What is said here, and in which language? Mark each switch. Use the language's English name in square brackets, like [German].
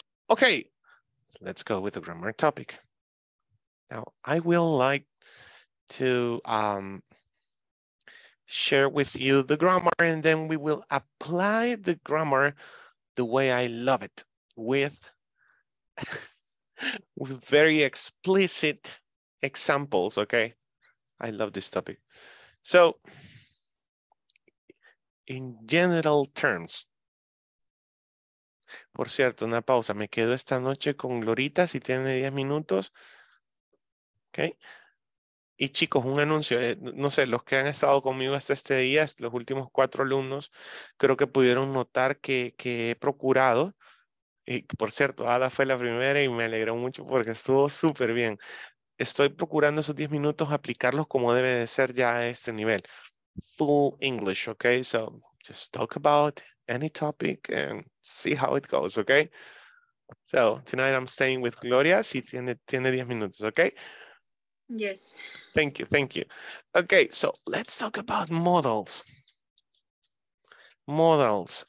[English] Okay, so let's go with the grammar topic. Now, I will like to share with you the grammar, and then we will apply the grammar the way I love it, with very explicit examples, okay? I love this topic. So, in general terms, [Spanish] por cierto, una pausa, me quedo esta noche con Glorita, si tiene 10 minutos, okay? Y chicos, un anuncio, no sé, los que han estado conmigo hasta este día, los últimos 4 alumnos, creo que pudieron notar que he procurado, y por cierto, Ada fue la primera y me alegró mucho porque estuvo súper bien. Estoy procurando esos 10 minutos aplicarlos como debe de ser ya a este nivel. [English] Full English, okay? So, just talk about any topic and see how it goes, okay? So, tonight I'm staying with Gloria, [Spanish] si tiene 10 minutos, [English] okay? Yes. Thank you. Okay, so let's talk about models. Models.